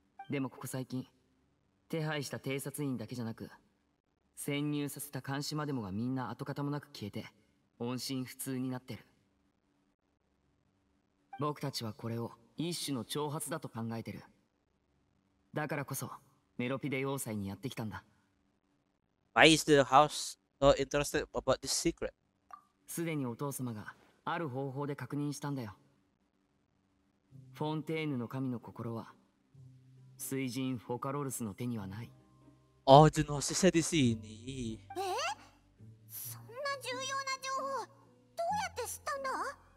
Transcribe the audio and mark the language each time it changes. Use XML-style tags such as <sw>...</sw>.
<ja>でもここ最近、手配した偵察員だけじゃなく、潜入させた監視までもがみんな跡形もなく消えて、音信不通になってる。僕たちはこれを一種の挑発だと考えてる。だからこそ、メロピデ要塞にやってきたんだ。</ja> <en>Why is the house so interested about this secret?</en> <ja>すでにお父様がある方法で確認したんだよ。フォンテーヌの神の心は水神フォカロルスの手にはない。あ、じゃあ、セセディシーに。そんな重要な情報、どうやって知ったんだ？</ja>